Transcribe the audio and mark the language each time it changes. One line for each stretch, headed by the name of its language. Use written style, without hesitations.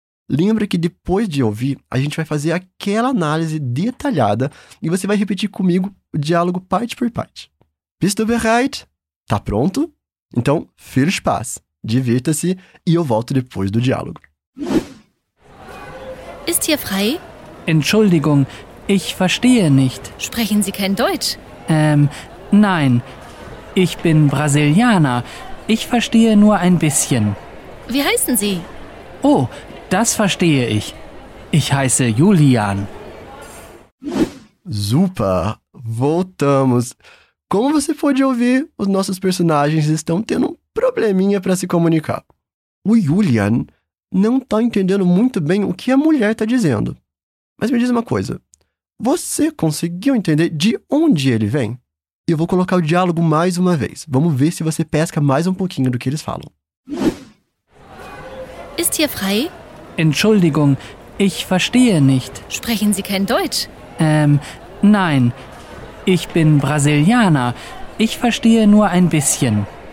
Portuguese: Lembra que depois de ouvir, a gente vai fazer aquela análise detalhada e você vai repetir comigo o diálogo parte por parte.
German: Bist du bereit?
Portuguese: Tá pronto? Então,
German: viel Spaß!
Portuguese: Divirta-se e eu volto depois do diálogo.
German: Ist hier frei? Entschuldigung, ich verstehe nicht. Sprechen Sie kein Deutsch? Nein. Ich bin Brasilianer. Ich verstehe nur ein bisschen. Wie heißen Sie? Oh, das verstehe ich. Ich heiße Julian.
Portuguese: Super! Voltamos! Como você pôde ouvir, os nossos personagens estão tendo um probleminha para se comunicar. O Julian não está entendendo muito bem o que a mulher está dizendo. Mas me diz uma coisa, você conseguiu entender de onde ele vem? Eu vou colocar o diálogo mais uma vez. Vamos ver se você pesca mais um pouquinho do que eles falam.
German: Ist hier frei? Entschuldigung, ich verstehe nicht. Sprechen Sie kein Deutsch? Nein. Ich bin Brasilianer. Ich verstehe nur ein bisschen.